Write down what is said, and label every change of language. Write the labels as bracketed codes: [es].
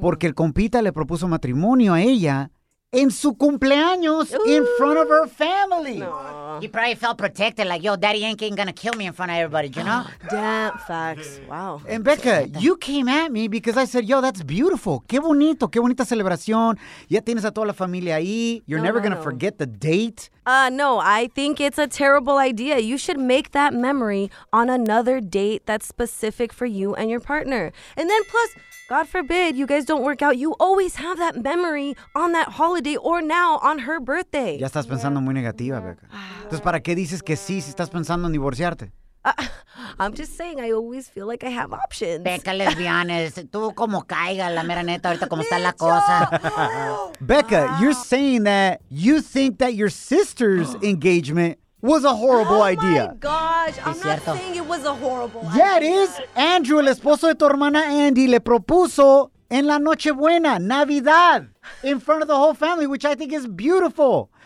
[es] Porque el compita le propuso matrimonio a ella en su cumpleaños. [en] Ooh. In front of her family. No. He probably felt protected, like, yo, Daddy Yankee ain't gonna kill me in front of everybody, you know? Damn, facts. Wow. And Becca, you came at me because I said, yo, that's beautiful. [es] Qué bonito, qué bonita celebración. Ya tienes a toda la familia ahí. [en] You're no, never gonna forget the date. No, I think it's a terrible idea. You should make that memory on another date that's specific for you and your partner. And then plus, God forbid you guys don't work out, you always have that memory on that holiday or now on her birthday. [es] Ya estás pensando muy negativa, Becca. Entonces, ¿para qué dices que sí si estás pensando en divorciarte? [en] I'm just saying, I always feel like I have options. Becca, let's be honest. [es] Tú como caiga, la mera neta, ahorita como está la cosa. [en] Becca, you're saying that you think that your sister's engagement was a horrible idea. Oh my gosh, I'm not saying it was a horrible idea. Yeah, it is. Andrew, [es] el esposo de tu hermana Andy, le propuso en la Nochebuena, Navidad, [en] in front of the whole family, which I think is beautiful.